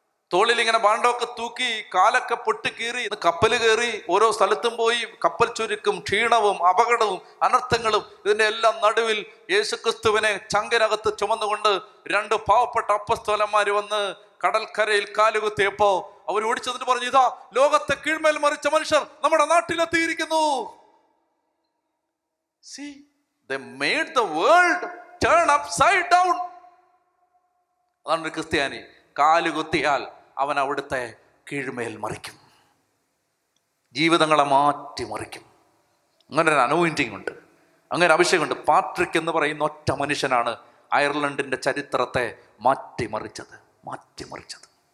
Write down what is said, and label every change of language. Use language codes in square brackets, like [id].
[ml] തോളിൽ ഇങ്ങനെ ബാണ്ടൊക്കെ തൂക്കി കാലൊക്കെ പൊട്ടിക്കീറി കപ്പൽ കയറി ഓരോ സ്ഥലത്തും പോയി കപ്പൽ ചുരുക്കും ക്ഷീണവും അപകടവും അനർത്ഥങ്ങളും ഇതിൻ്റെ എല്ലാം നടുവിൽ യേശുക്രിസ്തുവിനെ ചങ്കിനകത്ത് ചുമന്നുകൊണ്ട് രണ്ട് പാവപ്പെട്ട അപ്പസ്തോലന്മാർ വന്ന് കടൽക്കരയിൽ കാലുകുത്തിയപ്പോ അവർ ഓടിച്ചതിട്ട് പറഞ്ഞു, ഇതാ ലോകത്തെ കീഴ്മേൽ മറിച്ച മനുഷ്യർ നമ്മുടെ നാട്ടിലെത്തിയിരിക്കുന്നു. [en] See, they made the world turn upside down. [ml] അതാണ് ഒരു ക്രിസ്ത്യാനി, കാലുകുത്തിയാൽ അവൻ അവിടുത്തെ കീഴ്മേൽ മറിക്കും, ജീവിതങ്ങളെ മാറ്റി മറിക്കും. അങ്ങനൊരു അനോയിന്റിങ് ഉണ്ട്, അങ്ങനെ അഭിഷേകമുണ്ട്. പാട്രിക് എന്ന് പറയുന്ന ഒറ്റ മനുഷ്യനാണ് അയർലൻഡിന്റെ ചരിത്രത്തെ മാറ്റിമറിച്ചത്, മാറ്റിമറിച്ചത്.